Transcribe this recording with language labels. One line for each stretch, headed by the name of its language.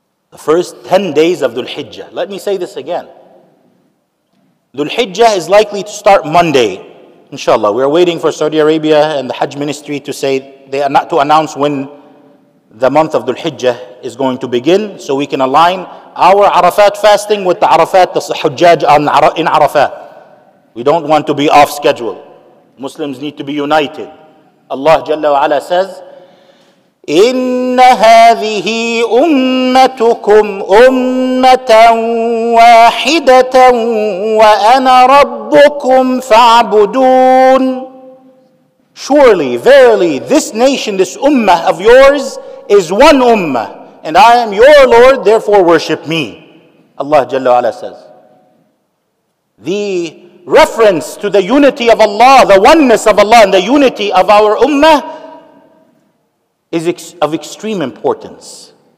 English: The first 10 days of Dhul-Hijjah. Let me say this again. Dhul-Hijjah is likely to start Monday, inshallah. We are waiting for Saudi Arabia and the Hajj ministry to say, to announce when the month of Dhul-Hijjah is going to begin, so we can align our Arafat fasting with the Arafat, the Hujjaj in Arafat. We don't want to be off schedule. Muslims need to be united. Allah Jalla wa Ala says,
Arabic: إِنَّ هَذِهِ أُمَّتُكُمْ أُمَّةً وَاحِدَةً وَأَنَا رَبُّكُمْ فَاعْبُدُونَ.
English: Surely, verily, this nation, this ummah of yours is one ummah. And I am your Lord, therefore worship me. Allah Jalla wa Ala says. The reference to the unity of Allah, the oneness of Allah, and the unity of our ummah is of extreme importance.